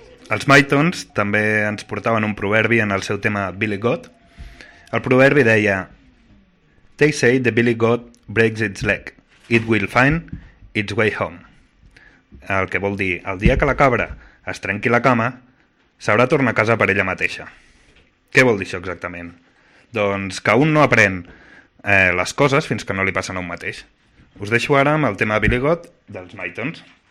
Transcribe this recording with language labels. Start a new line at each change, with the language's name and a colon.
Catalan: Els Mytons també ens portaven un proverbi en el seu tema Billy Goat. El proverbi deia:
English: "They say the Billy Goat breaks its leg. It will find its way home."
Catalan: El que vol dir: el dia que la cabra es trenqui la cama, sabrà tornar a casa per ella mateixa. Què vol dir això exactament? Doncs que un no aprèn les coses fins que no li passen a un mateix. Us deixo ara amb el tema Billy Goat dels Mytons.